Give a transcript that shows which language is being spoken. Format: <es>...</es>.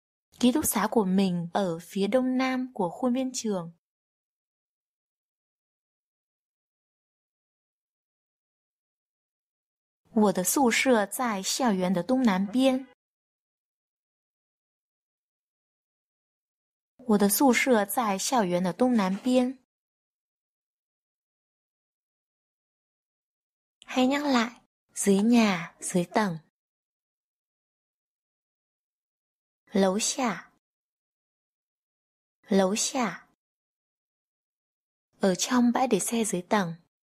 <vi>Ký túc xá của mình ở phía đông nam của khuôn viên trường. Tôi ở ký túc xá ở phía đông nam của khuôn viên trường.</vi> <zh>我的宿舍在校园的东南边。</zh> <vi>Hãy nhắc lại, dưới nhà, dưới tầng.</vi> <zh>楼下, 楼下.</zh> <vi>Ở trong bãi để xe dưới tầng.</vi>